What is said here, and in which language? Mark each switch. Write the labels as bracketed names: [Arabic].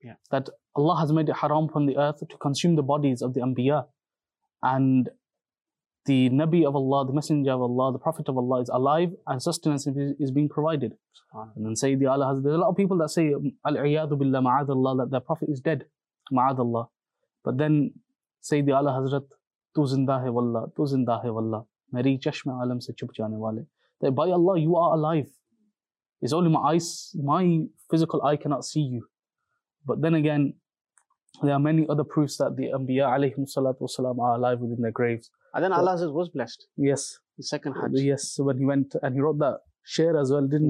[English] That Allah has made it haram upon the earth to consume the bodies of the anbiya, and the Nabi of Allah, the Messenger of Allah, the Prophet of Allah is alive and sustenance is being provided. And then Sayyidi Ala Hazrat, there's a lot of people that say al-'iyadu billah ma'adallah, that the Prophet is dead, ma'adallah. But then [Urdu] Sayyidi Ala Hazrat, تو زندہ ہے واللہ، تو زندہ ہے واللہ، میری چشمِ عالم سے چھپ جانے والے۔ [English] That by Allah, you are alive. It's only my physical eye cannot see you. But then again, there are many other proofs that the Anbiya alayhim salatu wasalam are alive within their graves. And then Allah says, was blessed. Yes. The second hajj. Yes, when he went and he wrote that share as well, didn't